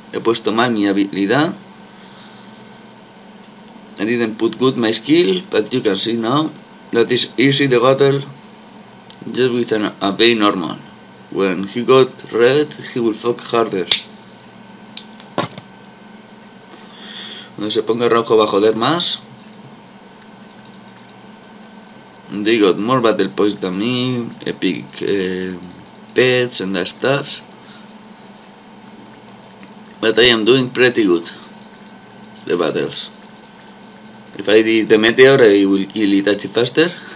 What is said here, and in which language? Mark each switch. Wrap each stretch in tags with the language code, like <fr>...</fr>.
<es>He puesto mal mi habilidad.</es> <en>I didn't put good my skill, but you can see now that is easy the battle just with a very normal. When he got red, he will fuck harder.</en> <es>Cuando se ponga rojo va a joder más.</es> <en>They got more battle points than me, epic pets and that stuff. But I am doing pretty good the battles. If I did the meteor, I will kill Itachi faster.</en>